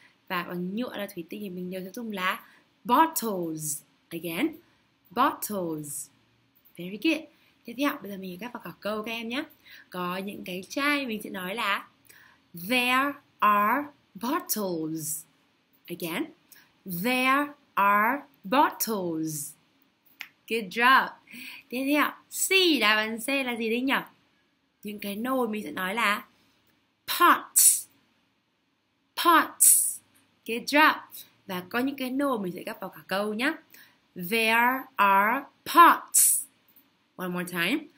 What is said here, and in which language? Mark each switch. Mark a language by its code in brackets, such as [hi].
[vi] Và bằng nhựa là thủy tinh thì mình đều sẽ dùng là bottles. [en] Again, bottles. Very good. [vi] Tiếp theo, bây giờ mình ghép vào cả câu các em nhé. Có những cái chai mình sẽ nói là [en] there are bottles. Again, there are bottles. Good job. [vi] Tiếp theo, C, đáp án C là gì đấy nhỉ? Những cái nồi mình sẽ nói là pots. [en] Pots. Good job. [vi] Và có những cái nồi mình sẽ ghép vào cả câu nhé. [en] There are pots. One more time.